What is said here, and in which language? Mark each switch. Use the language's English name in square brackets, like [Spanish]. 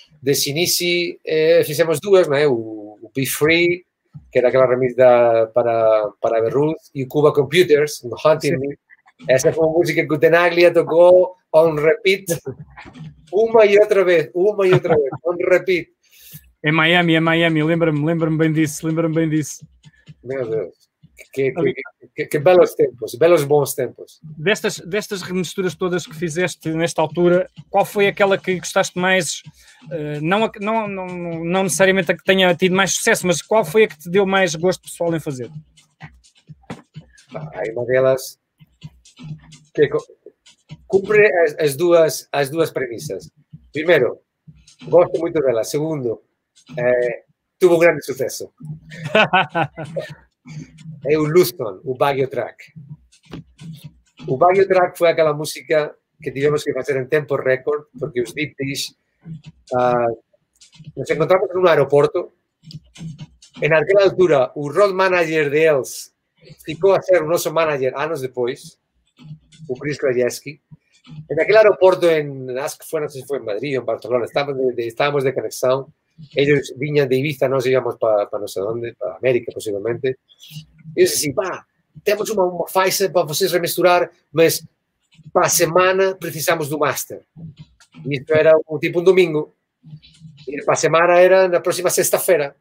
[Spanish] De Sinisi, hicimos dos, ¿no? O Be Free, que era aquella remezcla para Berruz, y Cuba Computers, The Hunting Me. Esa fue una música que Tenaglia tocó [English] on repeat, [Spanish] una y otra vez, on repeat. [Portuguese] En Miami, lembro-me bem disso. Meu Deus, que belos tempos, belos bons tempos. Destas remisturas todas que fizeste nesta altura, qual foi aquela que gostaste mais, não necessariamente a que tenha tido mais sucesso, mas qual foi a que te deu mais gosto pessoal em fazer? Aí uma delas que cumpre as duas premissas. Primeiro, gosto muito dela. [Spanish] Segundo, tuvo un grande suceso. Un Luston, un Baggio Track. Un Baggio Track fue aquella música que tuvimos que hacer en tiempo récord, porque los Deep Dish nos encontramos en un aeropuerto. En aquella altura, un road manager de ellos ficó a ser un oso manager años después, un Chris Krajewski. En aquel aeropuerto, no sé si fue en Madrid o en Barcelona, estábamos de conexión. [Portuguese] Ellos vinham de Ibiza, nós íamos para não sei onde, para América, possivelmente. E eu disse assim, pá, temos uma faixa para vocês remisturar, mas para a semana precisamos do master. Isso era tipo um domingo. E para a semana era na próxima sexta-feira.